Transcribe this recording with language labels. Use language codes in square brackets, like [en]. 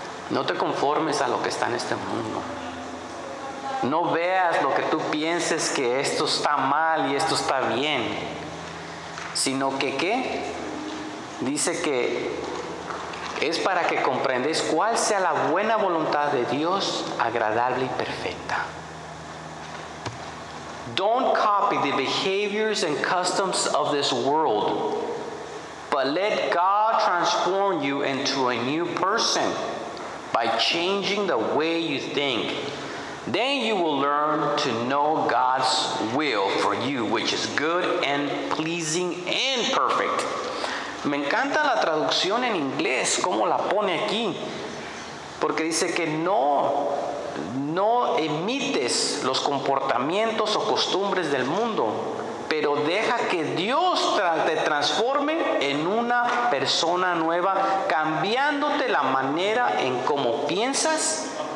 [es] No te conformes a lo que está en este mundo. No veas lo que tú pienses que esto está mal y esto está bien. Sino que, ¿qué? Dice que es para que comprendáis cuál sea la buena voluntad de Dios, agradable y perfecta. [en] Don't copy the behaviors and customs of this world, but let God transform you into a new person by changing the way you think. Then you will learn to know God's will for you, which is good and pleasing and perfect. [es] Me encanta la traducción en inglés, cómo la pone aquí. Porque dice que no imites los comportamientos o costumbres del mundo, pero deja que Dios te transforme en una persona nueva, cambiándote la manera en cómo piensas.